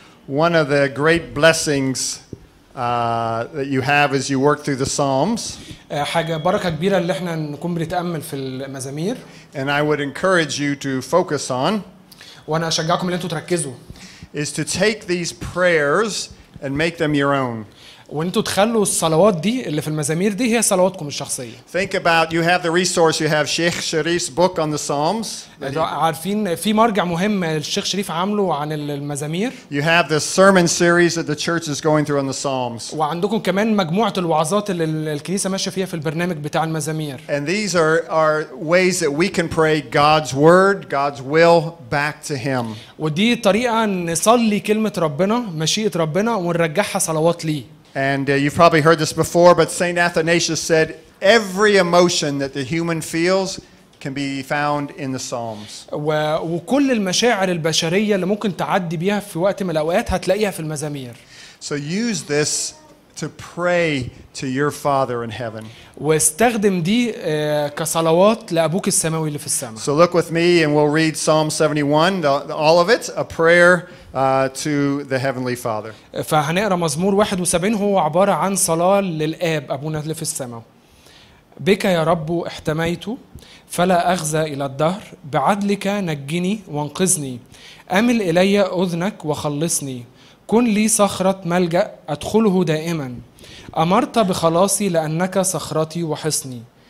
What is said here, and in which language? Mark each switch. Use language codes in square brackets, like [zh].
[en] One of the great blessings that you have as you work through the psalms. [ar] حاجه بركه كبيره اللي احنا نكون بنتامل في المزامير. [en] And I would encourage you to focus on. [ar] وانا اشجعكم ان انتوا تركزوا. [en] Is to take these prayers and make them your own. [ar] وانتوا تخلوا الصلوات دي اللي في المزامير دي هي صلواتكم الشخصية. [en] Think about you have the resource, you have Sheikh Sharif's book on the Psalms. [ar] عارفين في مرجع مهم الشيخ شريف عامله عن المزامير. [en] You have the sermon series that the church is going through on the Psalms. [ar] وعندكم كمان مجموعة الوعظات اللي الكنيسة ماشية فيها في البرنامج بتاع المزامير. [en] And these are ways that we can pray God's word, God's will back to him. [ar] ودي طريقة نصلي كلمة ربنا، مشيئة ربنا، ونرجعها صلوات ليه. [en] And you've probably heard this before, but Saint Athanasius said every emotion that the human feels can be found in the Psalms. [ar] وكل المشاعر البشرية اللي ممكن تعدي بيها في وقت من الأوقات هتلاقيها في المزامير. [en] So use this to pray to your Father in heaven. [ar] واستخدم دي كصلوات لأبوك السماوي اللي في السماء. [en] So look with me, and we'll read Psalm 71, all of it, a prayer. To the heavenly father. [ar] فهنقرا مزمور 71 هو عبارة عن صلاة للآب أبونا اللي في السماء. بك يا رب احتميت فلا أخزى إلى الدهر، بعدلك نجني وانقذني، أمل إلي أذنك وخلصني، كن لي صخرة ملجأ أدخله دائما، أمرت بخلاصي لأنك صخرتي وحصني.